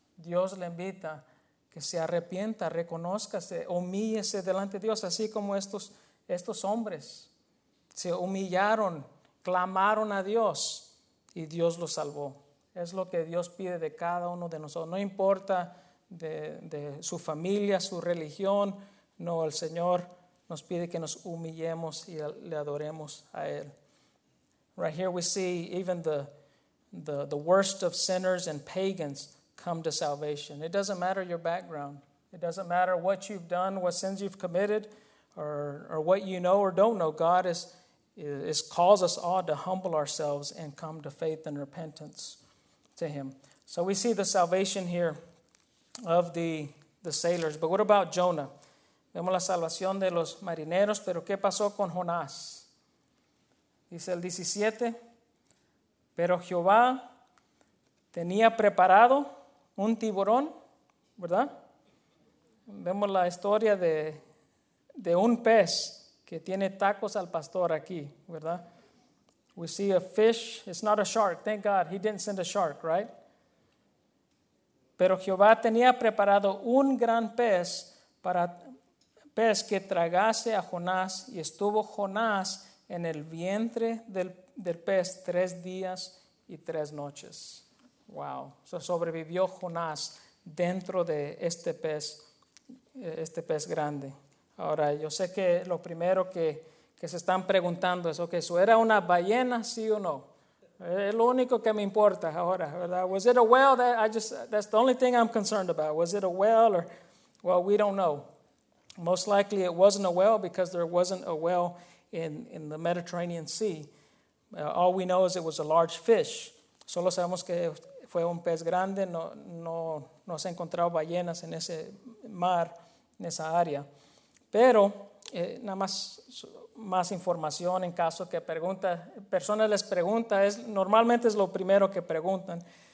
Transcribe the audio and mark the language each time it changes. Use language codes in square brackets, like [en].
[es] Dios le invita que se arrepienta, reconózcase, humíllese delante de Dios, así como estos hombres se humillaron, clamaron a Dios y Dios los salvó. Es lo que Dios pide de cada uno de nosotros. No importa de su familia, su religión, no, el Señor nos pide que nos humillemos y le adoremos a Él. [en] Right here we see even the worst of sinners and pagans come to salvation. It doesn't matter your background. It doesn't matter what you've done, what sins you've committed, or what you know or don't know. God is calls us all to humble ourselves and come to faith and repentance to Him. So we see the salvation here of the sailors. But what about Jonah? [es] Vemos la salvación de los marineros, pero ¿qué pasó con Jonás? Dice el 17, pero Jehová tenía preparado un tiburón, ¿verdad? Vemos la historia de un pez que tiene tacos al pastor aquí, ¿verdad? [en] We see a fish, it's not a shark, thank God, he didn't send a shark, right? [es] Pero Jehová tenía preparado un gran pez para pez que tragase a Jonás, y estuvo Jonás en el vientre del pez 3 días y 3 noches. Wow. So sobrevivió Jonás dentro de este pez grande. Ahora, yo sé que lo primero que se están preguntando es, okay, ¿so era una ballena, sí o no? Es lo único que me importa ahora, ¿verdad? [en] Was it a whale? That's the only thing I'm concerned about. Was it a whale? Or, well, we don't know. Most likely it wasn't a whale because there wasn't a whale in the Mediterranean Sea. All we know is it was a large fish. [es] Solo sabemos que fue un pez grande, no se encontraron ballenas en ese mar, en esa área. Pero, nada más, más información en caso que personas les preguntan, normalmente es lo primero que preguntan.